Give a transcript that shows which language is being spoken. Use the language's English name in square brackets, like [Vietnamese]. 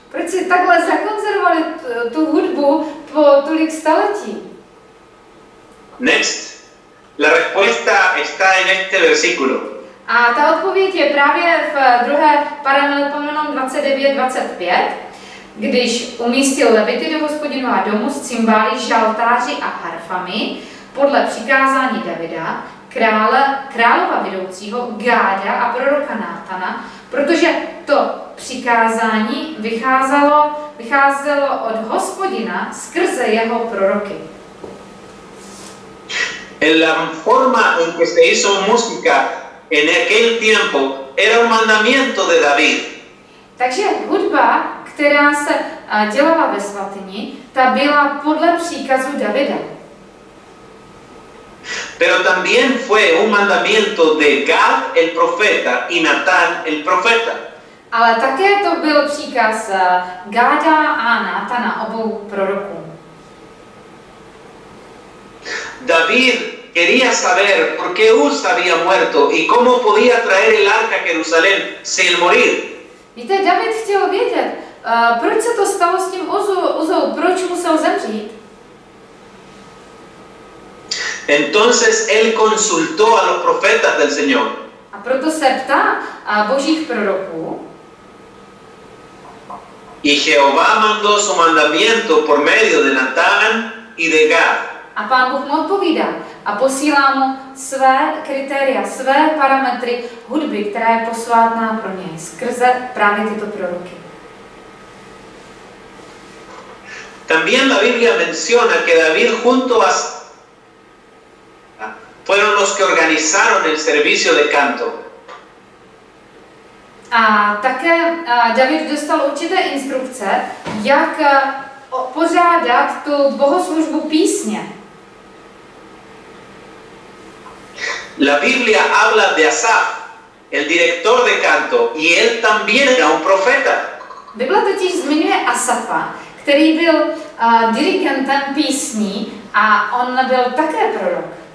[Czech] Proč si takhle zakonzervovali tu hudbu po tolik staletí? [Spanish] Next. La respuesta está en este versículo. [Czech] A ta odpověď je právě v 2. Paralelepomenon 29:25. Když umístil levity do Hospodinova domu s cymbály, žaltáři a harfami, podle přikázání Davida, králova vedoucího Gáda a proroka Nátana, protože to přikázání vycházelo od Hospodina skrze jeho proroky. [Spanish] En la forma en que se hizo música en aquel tiempo era un mandamiento de David. [Czech] Takže hudba, která se dělala ve svatyni, ta byla podle příkazu Davida. [Spanish] Pero también fue un mandamiento de Gad el profeta y Natán el profeta. [Czech] Ale také to byl příkaz Gáda a Natana, obou proroků. [Spanish] David quería saber por qué Uza había muerto y cómo podía traer el arca a Jerusalén sin morir. [Czech] Víte, David chtěl vědět, proč se to stalo s tím Uzou, proč musel zemřít. [Spanish] Entonces él consultó a los profetas del Señor. [Czech] A proto se ptá a božích proroků. [Spanish] Y Jehová mandó su mandamiento por medio de Natán y de Gad. [Czech] A Pán Bůh mu odpovídá a posílá mu své kritéria, své parametry hudby, která je posvátná pro něj skrze právě tyto proroky. [Spanish] También la Biblia menciona que David junto a fueron los que organizaron el servicio de canto. [Czech] A také David dostal určité instrukce, jak pořádat tu bohoslužbu písně. [Spanish] La Biblia habla de Asaf, el director de canto, y él también era un profeta. [Czech] Biblia totiž zmiňuje Asafa, který byl dirigentem písní a on byl také prorok.